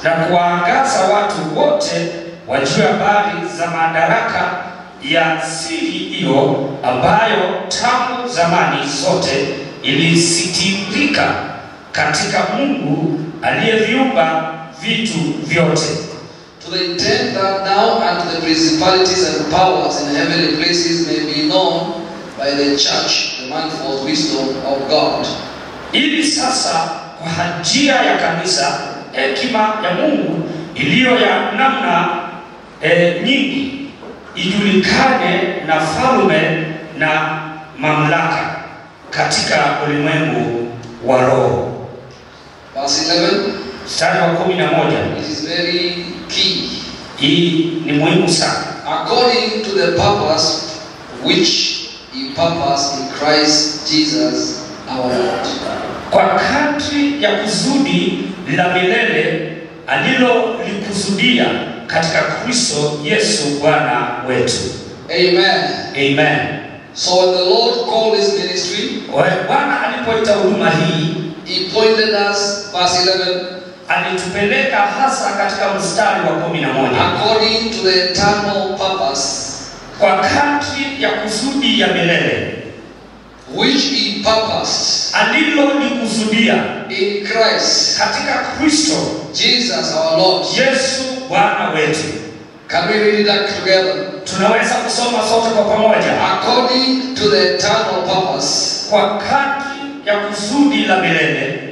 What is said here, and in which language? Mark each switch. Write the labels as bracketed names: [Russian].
[Swahili] Na kuangaza watu wote wajue habari za madaraka ya siri hiyo ambayo tangu zamani zote ilisitirika katika Mungu aliyeviumba vitu vyote. [English] To the intent that now and to the principalities and powers in heavenly places may be known by the church the manifold wisdom of God. [Swahili] Ili sasa kwa njia ya kanisa hekima ya Mungu iliyo ya namna nyingi ijulikane na falme na mamlaka katika ulimwengu wa roho. [English] Verse 11. [Swahili] Mstari wa 11. [English] This is very key. [Swahili] Hii ni muhimu sana. [English] According to the purpose which he purposed in Christ Jesus our Lord. [Swahili] Kwa kadri ya kusudi la milele alilo likusudia katika Kristo Yesu Bwana wetu. [English] Amen. Amen. So when the Lord called his ministry, [Swahili] Bwana alipoita huduma hii, [English] he pointed us, verse 11, [Swahili] alitupeleka hasa katika mstari wa 11. [English] According to the eternal purpose, [Swahili] kwa kadri ya kusudi ya milele, [English] which he purposed, [Swahili] alilo likusudia, [English] in Christ, [Swahili] katika Kristo [English] Jesus our Lord, [Swahili] Yesu Bwana wetu. [English] Can we read that together? [Swahili] Tunaweza kusoma sote kwa pamoja. [English] According to the eternal purpose, [Swahili] kwa kadri ya kusudi la milele,